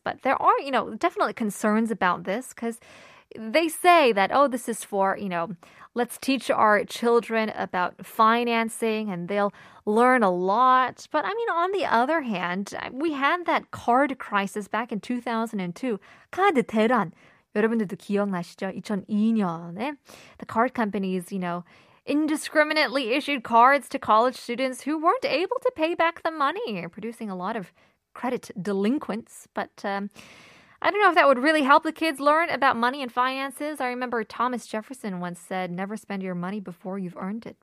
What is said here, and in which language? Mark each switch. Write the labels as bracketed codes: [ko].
[en] But there are, you know, definitely concerns about this because they say that, oh, this is for, you know, let's teach our children about financing and they'll learn a lot. But I mean, on the other hand, we had that card crisis back in 2002. [ko] 카드 대란. 여러분들도 기억나시죠? 2002년에 [en] the card companies, you know, indiscriminately issued cards to college students who weren't able to pay back the money, producing a lot of credit delinquents. But I don't know if that would really help the kids learn about money and finances. I remember Thomas Jefferson once said, never spend your money before you've earned it.